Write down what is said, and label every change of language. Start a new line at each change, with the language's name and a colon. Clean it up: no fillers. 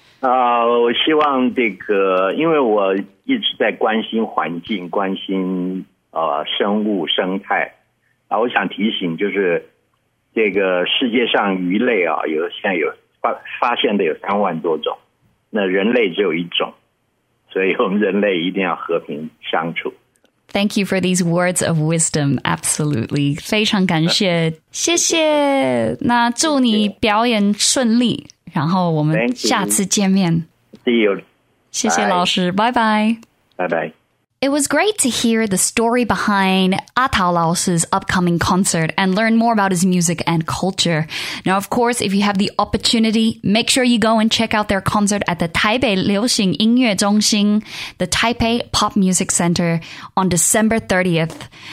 Chinese: 我希望这个，因为我一直在关心环境，关心生物生态啊，我想提醒就是这个世界上鱼类啊，现在有发现的有3万多种，那人类只有一种，所以我们人类一定要和平相处。
English: Thank you for these words of wisdom, absolutely.
Chinese: 非常感谢，谢谢。那祝你表演顺利，然后我们下次见面。
English: See you.
Chinese: 谢谢老师，拜拜。拜拜。
English: It was great to hear the story behind 阿淘老师's upcoming concert and learn more about his music and culture. Now, of course, if you have the opportunity, make sure you go and check out their concert at the Taipei 流行音乐中心, the Taipei Pop Music Center, on December 30th.